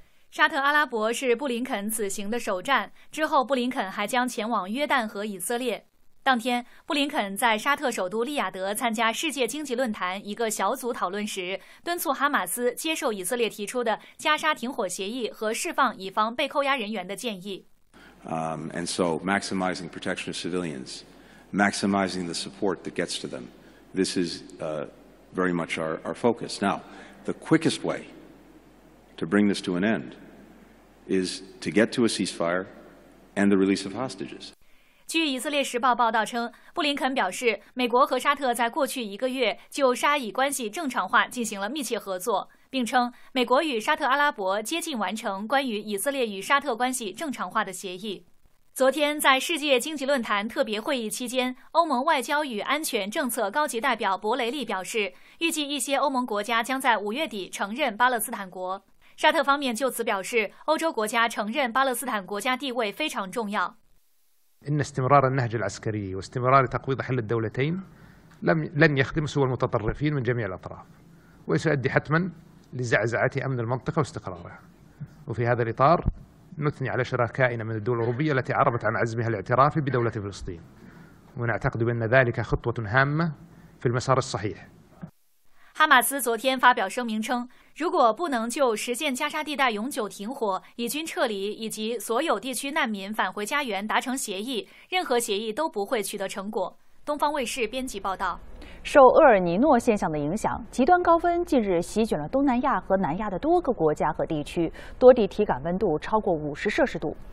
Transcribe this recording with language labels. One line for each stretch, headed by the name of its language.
Chinese: 沙特阿拉伯是布林肯此行的首站，之后布林肯还将前往约旦和以色列。当天，布林肯在沙特首都利雅得参加世界经济论坛一个小组讨论时，敦促哈马斯接受以色列提出的加沙停火协议和释放以方被扣押人员的建议。
English: And so maximizing protection of civilians, maximizing the support that gets to them, this is very much our focus. Now, the quickest way to bring this to an end is to get to a ceasefire and the release of hostages.
Chinese: 据以色列时报报道称，布林肯表示，美国和沙特在过去一个月就沙以关系正常化进行了密切合作，并称美国与沙特阿拉伯接近完成关于以色列与沙特关系正常化的协议。昨天在世界经济论坛特别会议期间，欧盟外交与安全政策高级代表博雷利表示，预计一些欧盟国家将在5月底承认巴勒斯坦国。沙特方面就此表示，欧洲国家承认巴勒斯坦国家地位非常重要。
Arabic: إن استمرار النهج العسكري واستمرار تقويض حل الدولتين لن يخدم سوى المتطرفين من جميع الأطراف وسيؤدي حتما لزعزعة أمن المنطقة واستقرارها وفي هذا الإطار نثني على شركائنا من الدول الأوروبية التي عربت عن عزمها الاعتراف بدولة فلسطين ونعتقد بأن ذلك خطوة هامة في المسار الصحيح
Chinese: 哈马斯昨天发表声明称，如果不能就实现加沙地带永久停火、以军撤离以及所有地区难民返回家园达成协议，任何协议都不会取得成果。东方卫视编辑报道。受厄尔尼诺现象的影响，极端高温近日席卷了东南亚和南亚的多个国家和地区，多地体感温度超过50摄氏度。